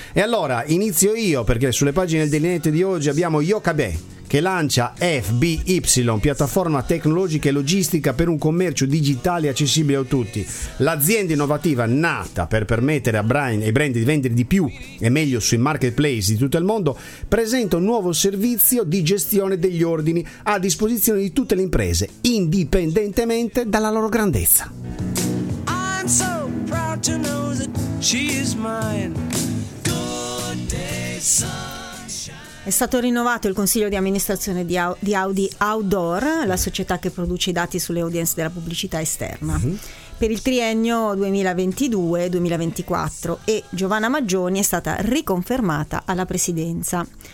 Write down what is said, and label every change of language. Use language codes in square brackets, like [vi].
[it] E allora inizio io, perché sulle pagine del Daily Net di oggi abbiamo Yokabe che lancia FBY, piattaforma tecnologica e logistica per un commercio digitale accessibile a tutti. L'azienda innovativa nata per permettere ai brand di vendere di più e meglio sui marketplace di tutto il mondo presenta un nuovo servizio di gestione degli ordini a disposizione di tutte le imprese, indipendentemente dalla loro grandezza. [en] I'm so proud to know that she is mine. Good day, son. [it] È stato rinnovato il consiglio di amministrazione di Audi Outdoor, la società che produce i dati sulle audience della pubblicità esterna, per il triennio 2022-2024, e Giovanna Maggioni è stata riconfermata alla presidenza.